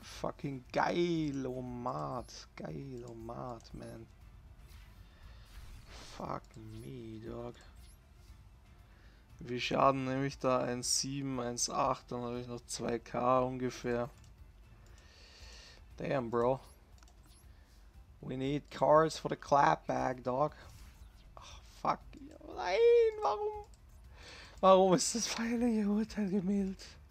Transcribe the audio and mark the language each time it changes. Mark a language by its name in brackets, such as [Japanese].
[German] Fucking Geilomat. Geilomat, man. [English] Fuck me, dog. [German] Wie Schaden nehme ich da? 1,7, 1,8, dann habe ich noch 2k ungefähr. [English] Damn, Bro. We need cards for the clapback, dog. [German] Ach, fuck. Nein, warum? Warum ist das feierliche Urteil gemildert?